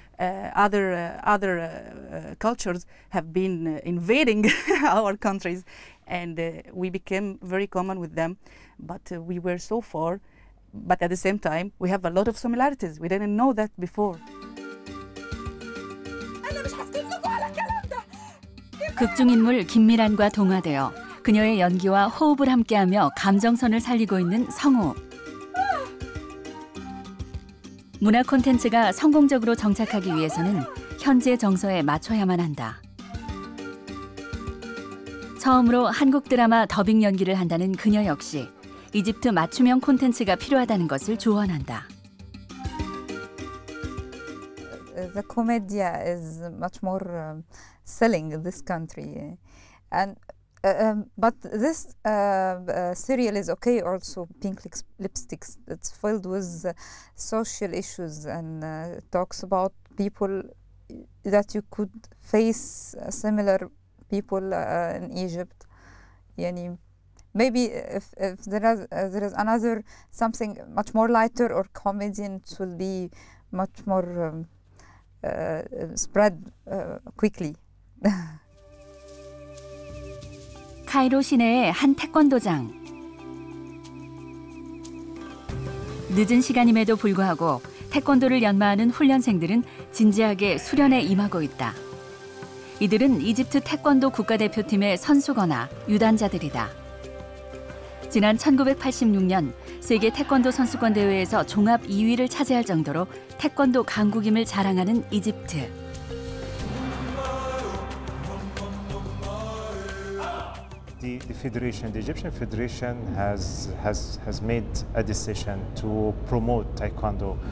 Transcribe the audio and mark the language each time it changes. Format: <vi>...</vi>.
<en>Other cultures have been invading our countries, and we became very common with them. But we were so far. But at the same time, we have a lot of similarities. We didn't know that before.</en> <ko>극중 인물 김미란과 동화되어 그녀의 연기와 호흡을 함께하며 감정선을 살리고 있는 성우. 문화 콘텐츠가 성공적으로 정착하기 위해서는 현지의 정서에 맞춰야만 한다. 처음으로 한국 드라마 더빙 연기를 한다는 그녀 역시 이집트 맞춤형 콘텐츠가 필요하다는 것을 조언한다.</ko> <en>The comedy is much more selling in this country. And but this serial is okay also Pink Lipsticks. It's filled with social issues and talks about people that you could face similar people in Egypt. Yani maybe if there is another something much more lighter or comedy it will be much more spread quickly.</en> <ko>카이로 시내의 한 태권도장. 늦은 시간임에도 불구하고 태권도를 연마하는 훈련생들은 진지하게 수련에 임하고 있다. 이들은 이집트 태권도 국가대표팀의 선수거나 유단자들이다. 지난 1986년 세계 태권도 선수권 대회에서 종합 2위를 차지할 정도로 태권도 강국임을 자랑하는 이집트.</ko> <en>The Federation, the Egyptian Federation has made a decision to promote Taekwondo.</en>